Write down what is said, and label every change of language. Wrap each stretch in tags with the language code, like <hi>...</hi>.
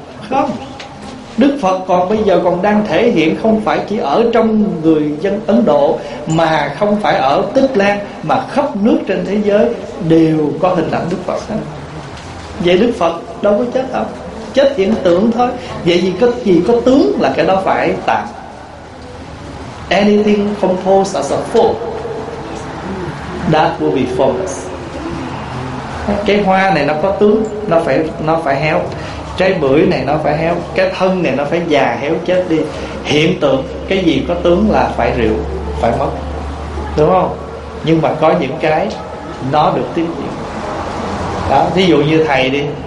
<vi>Không, Đức Phật còn bây giờ còn đang thể hiện, không phải chỉ ở trong người dân Ấn Độ, mà không phải ở Tích Lan, mà khắp nước trên thế giới đều có hình ảnh Đức Phật hết. Vậy Đức Phật đâu có chết đâu, chết hiện tượng thôi. Vậy vì cái gì có tướng là cái đó phải tạm.</vi> <en>Anything composed as a form, that will be formless.</en> <vi>Cái hoa này nó có tướng, nó phải héo. Trái bưởi này nó phải héo. Cái thân này nó phải già héo chết đi. Hiện tượng, cái gì có tướng là phải rượu, phải mất, đúng không? Nhưng mà có những cái nó được tiếp diễn. Đó, thí dụ như thầy đi.</vi>